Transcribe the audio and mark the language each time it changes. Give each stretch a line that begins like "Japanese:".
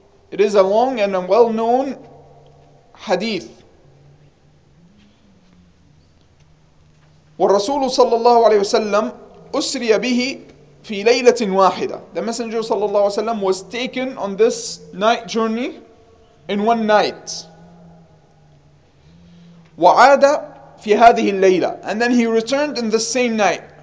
English: It is a long and a well-known hadith.
Arabic: والرسول صلى الله عليه وسلم أسري به في ليلة واحدة.
English: The messenger
Arabic: صلى الله عليه وسلم
English: was taken on this night journey in one night.
Arabic: وعاد في هذه الليلة.
English: And then he returned in the same night.